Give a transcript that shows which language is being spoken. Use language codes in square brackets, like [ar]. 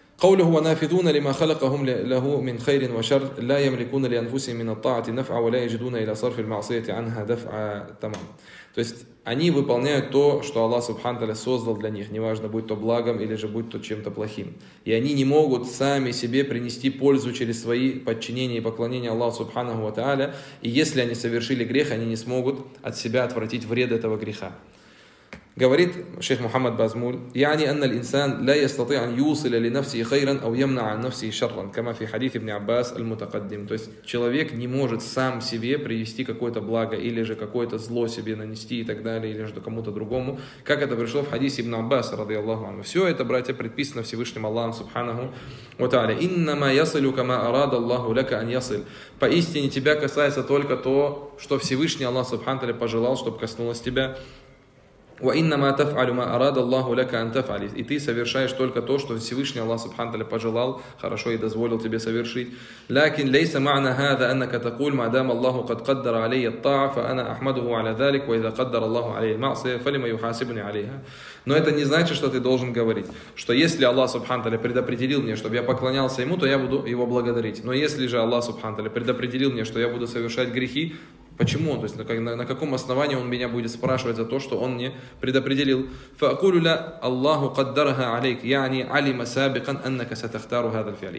[ar] قوله ونافذون لما خلقهم له من خير وشر، لا يملكون لأنفسهم من الطاعة نفعا ولا يجدون إلى صرف المعصية عنها دفعا. تمام. [ru] То есть они выполняют то, что Аллах Субхану Тааля создал для них, неважно, будь то благом или же будь то чем-то плохим. И они не могут сами себе принести пользу через свои подчинения и поклонения Аллаху Субхану Тааля. И если они совершили грех, они не смогут от себя отвратить вред этого греха. Говорит шейх Мухаммад Базмуль, [ar] يعني أن الإنسان لا يستطيع أن يوصل لنفسه خيرا أو يمنع عن نفسه شرا كما في حديث ابن عباس المتقدم. [ru] То есть человек не может сам себе привести какое-то благо или же какое-то зло себе нанести и так далее, или же кому-то другому, как это пришло в хадисе ابن عباس [ar] رضي الله عنه. [ru] Все это, братья, предписано Всевышним Аллахом Субханаху ва Тааля. [ar] إنما يصلك ما أراد الله لك أن يصل. [ru] Поистине тебя касается только то, что Всевышний Аллах Субханаху ва Тааля пожелал, чтобы коснулось тебя. [ar] وإنما تفعل ما أراد الله لك أن تفعل. [ru] И ты совершаешь только то, что Всевышний Аллах Субхану Тааля пожелал, хорошо и дозволил тебе совершить. [ar] لكن ليس معنى هذا أنك تقول ما دام الله قد قدر علي الطاعة فأنا أحمده على ذلك وإذا قدر الله علي المعصية فلما يحاسبني عليها. [ru] Но это не значит, что ты должен говорить, что если Аллах Субхану Тааля предопределил мне, чтобы я поклонялся ему, то я буду его благодарить. Но если же Аллах Субхану Тааля предопределил мне, что я буду совершать грехи, почему он? То есть на каком основании он меня будет спрашивать за то, что он мне предопределил? [ar] فَأَقُولُ لَا أَلَّهُ قَدَّرَهَا عَلَيْكَ يَعْنِ عَلِمَ سَابِقًا أَنَّكَ سَتَخْتَارُ هَذَا الْفِعْلِ.